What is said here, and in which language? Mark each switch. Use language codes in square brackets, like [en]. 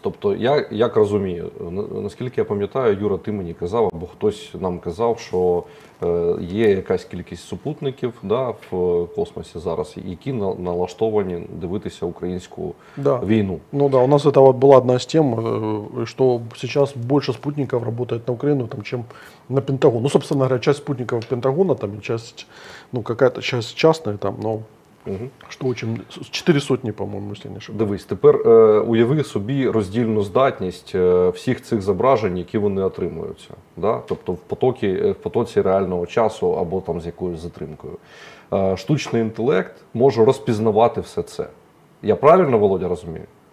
[uk] Тобто, я як розумію, наскільки я пам'ятаю, Юра, ти мені казав, або хтось нам казав, що є якась кількість супутників, да, в космосі зараз, які налаштовані дивитися українську да. війну. Ну так, да, у нас це була одна з тем, що зараз більше спутників працює на Україну, ніж на Пентагон. [ru] Ну, собственно говоря, часть спутників Пентагона, там, часть, ну, какая-то часть частная, там, но... Что очень 400, по-моему, если не ошибаюсь. [uk] Дивись, тепер уяви собі роздільну здатність всіх цих зображень, які вони отримуються. Да? Тобто в потоці реального часу або там з якоюсь затримкою. Штучний інтелект може розпізнавати все це. Я правильно, Володя, розумію?